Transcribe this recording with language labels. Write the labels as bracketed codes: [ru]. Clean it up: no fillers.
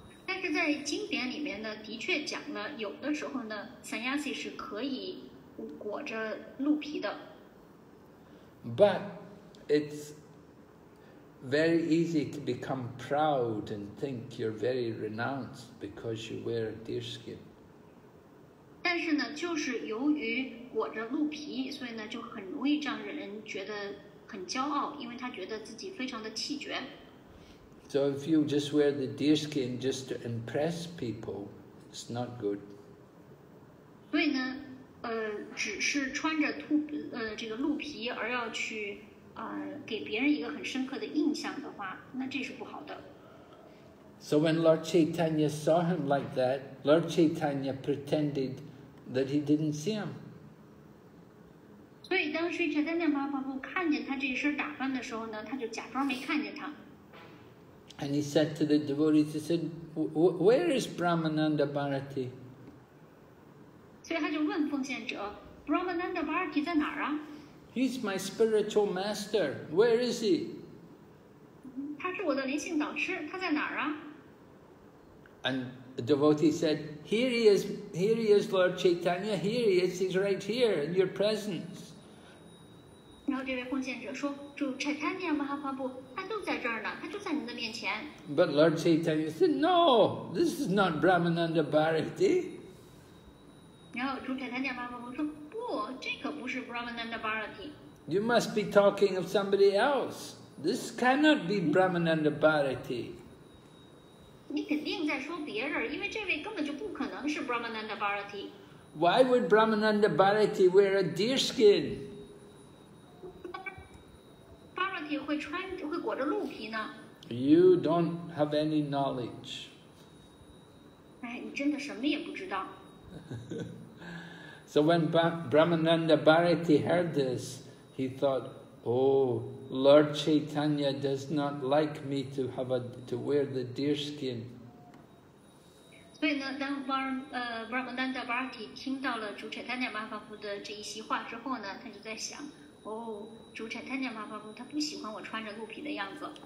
[zh] 但是在经典里面呢，的确讲了，有的时候呢，sannyasi是可以裹着鹿皮的。But [en] it's very easy to become proud and think you're very renounced because you wear a deer skin. [zh] 但是呢，就是由于裹着鹿皮，所以呢，就很容易让人觉得很骄傲，因为他觉得自己非常的气绝。 [en] So if you just wear the deer skin just to impress people, it's not good. [zh] 所以呢，只是穿着兔，这个鹿皮而要去，给别人一个很深刻的印象的话，那这是不好的。 [en] So when Lord Chaitanya saw him like that, Lord Chaitanya pretended that he didn't see him. [zh] 所以当时 Chaitanya Mahaprabhu 看见他这身打扮的时候呢，他就假装没看见他。 [en] And he said to the devotees, he said, where is Brahmananda Bharati? [zh] 所以他就问奉献者 ,Brahmananda Bharati 在哪儿啊？ [en] He's my spiritual master. Where is he? [zh] 他是我的灵性导师，他在哪儿啊？ [en] And the devotee said, here he is, Lord Chaitanya, here he is, he's right here in your presence. [zh] 然后这位奉献者说，主 Chaitanya Mahaprabhu, 他都在这儿呢，他就在您的面前。 [en] But Lord Chaitanya said, no, this is not Brahmananda Bharati. [zh] 然后主 Chaitanya Mahaprabhu 说，不，这可不是 Brahmananda Bharati. [en] You must be talking of somebody else. This cannot be Brahmananda Bharati. [zh] 你肯定在说别人，因为这位根本就不可能是 Brahmananda Bharati。 [en] Why would Brahmananda Bharati wear a deer skin? [zh] Bharati 会穿会裹着鹿皮呢。 [en] You don't have any knowledge. [zh] 哎，你真的什么也不知道。 [en] So when Brahmananda Bharati heard this, he thought, oh. Lord Chaitanya does not like me to have to wear the deer skin. So, when [zh] Brahmananda Bharati 听到了主 Chaitanya Mahaprabhu 的这一席话之后呢，他就在想，哦，主 Chaitanya Mahaprabhu 他不喜欢我穿着鹿皮的样子。